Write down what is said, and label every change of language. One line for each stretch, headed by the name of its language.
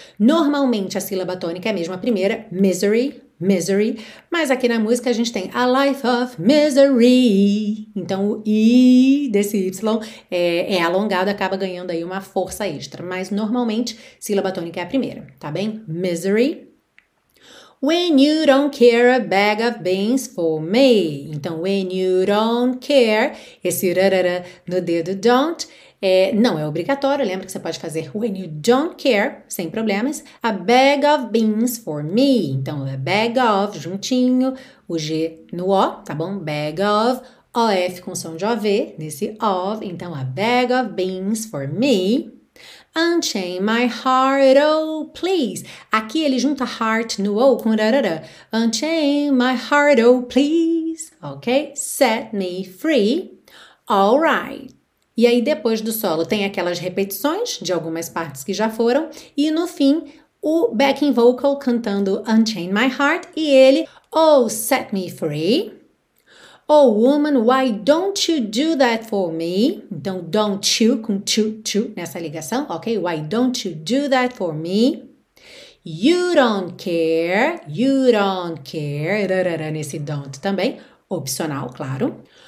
Portuguese: Normalmente a sílaba tônica é mesmo a primeira, misery, misery, mas aqui na música a gente tem
English: a life of misery.
Portuguese: Então o I desse Y é alongado, acaba ganhando aí uma força extra, mas normalmente sílaba tônica é a primeira, tá bem?
English: Misery. When you don't care a bag of beans for me.
Portuguese: Então
English: when you don't care,
Portuguese: esse rarara no dedo don't. É, não é obrigatório, lembra que você pode fazer
English: when you don't care,
Portuguese: sem problemas,
English: a bag of beans for me.
Portuguese: Então, é bag of, juntinho, o G no O, tá bom? Bag of, OF com som de OV, nesse of, então,
English: a bag of beans for me. Unchain my heart, oh please.
Portuguese: Aqui ele junta heart no O com rarara.
English: Unchain my heart, oh please. Ok? Set me free. All right.
Portuguese: E aí, depois do solo, tem aquelas repetições de algumas partes que já foram. E no fim, o backing vocal cantando Unchain My Heart. E ele,
English: oh, set me free. Oh, woman, why don't you do that for me?
Portuguese: Então,
English: don't you
Portuguese: com to nessa ligação, ok?
English: Why don't you do that for me? You don't care. You don't care.
Portuguese: Nesse don't também, opcional, claro.